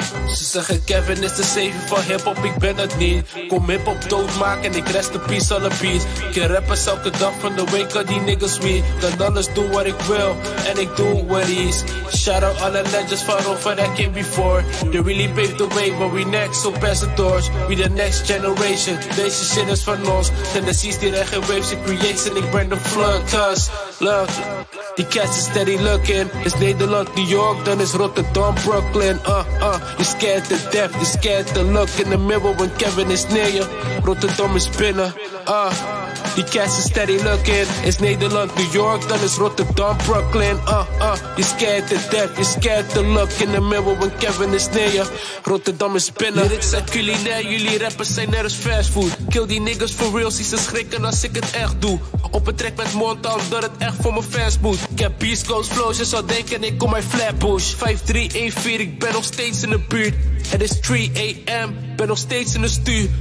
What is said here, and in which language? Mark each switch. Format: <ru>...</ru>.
<nl>zeggen Kevin is de 7 van hiphop, ik ben het niet. Kom hiphop doodmaken, ik rest de peace</nl> <en>on the beat.</en> <nl>Ik kan rappers elke dag van de week aan die niggas wie. Kan alles doen wat ik wil, en ik doe</nl> <en>what is. Shout out</en> <nl>alle legends van Rover</nl> <en>that came before. They really paved the way, but we next, so pass the torch. We the next generation,</en> <nl>deze shit is van ons. Tendencies die regen waves, ik create en ik</nl> <en>bring the flood. Cause, look, die cats is steady looking.</en> <nl>Is Nederland, New York, dan is Rotterdam, Brooklyn.</nl> <en>You're scared to death, you're scared to look in the mirror when Kevin is near you.</en> <nl>Rotterdam is binnen.</nl> <en>Die cats is steady looking.</en> <nl>Is Nederland, New York, dan is Rotterdam, Brooklyn.</nl> <en>You're scared to death, you're scared to look in the mirror when Kevin is near you.</en> <nl>Rotterdam is binnen. Lyrics zijn culinair, jullie rappers zijn net als fastfood.</nl> <en>Kill die niggas for real,</en> <nl>zie ze schrikken als ik het echt doe. Op een track met Montal, dat het echt voor mijn fans moet. Ik heb</nl> <en>East Coast flows,</en> <nl>je zou denken ik kom uit Flatbush. 5-3-1-4, ik ben nog steeds in de buurt. Het is 3 a.m., ben nog steeds in de stuur.</nl>